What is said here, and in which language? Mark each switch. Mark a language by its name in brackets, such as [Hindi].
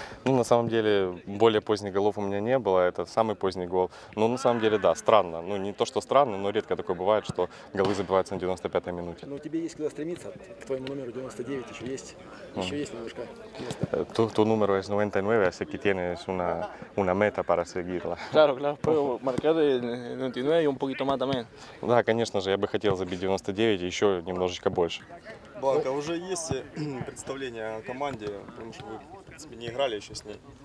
[Russian] Ну, на самом деле, более поздних голов у меня не было, это самый поздний гол. Ну, на самом деле, да, странно. Ну, не то, что странно, но редко такое бывает, что голы забиваются на 95-й минуте. Ну, тебе есть куда стремиться, к твоему номеру 99 еще есть, еще есть немножко места. [Spanish] Tu número es 99, así que tienes una meta para seguirla. Claro, puedo marcar 99 y un poquito más también. [Russian] Да, конечно же, я бы хотел забить 99 и еще немножечко больше. Блак, а уже есть представление о команде, потому что вы, в принципе, не играли еще с ней.